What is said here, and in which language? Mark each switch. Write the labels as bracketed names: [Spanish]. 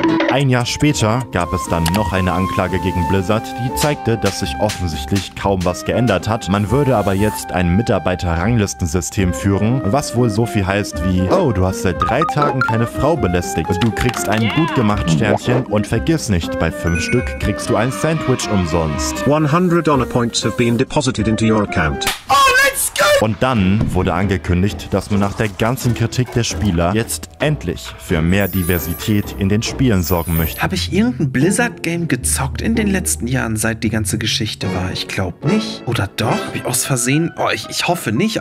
[German] Ein Jahr später gab es dann noch eine Anklage gegen Blizzard, die zeigte, dass sich offensichtlich kaum was geändert hat. Man würde aber jetzt ein Mitarbeiter-Ranglistensystem führen, was wohl so viel heißt wie: Oh, du hast seit 3 Tagen keine Frau belästigt. Du kriegst ein Gutgemacht-Sternchen und vergiss nicht, bei 5 Stück kriegst du ein Sandwich umsonst. [English] 100 Dollar Points have been deposited into your account. [German] Und dann wurde angekündigt, dass man nach der ganzen Kritik der Spieler jetzt endlich für mehr Diversität in den Spielen sorgen möchte. Habe ich irgendein Blizzard-Game gezockt in den letzten Jahren, seit die ganze Geschichte war? Ich glaube nicht. Oder doch? Habe ich aus Versehen? Oh, ich hoffe nicht.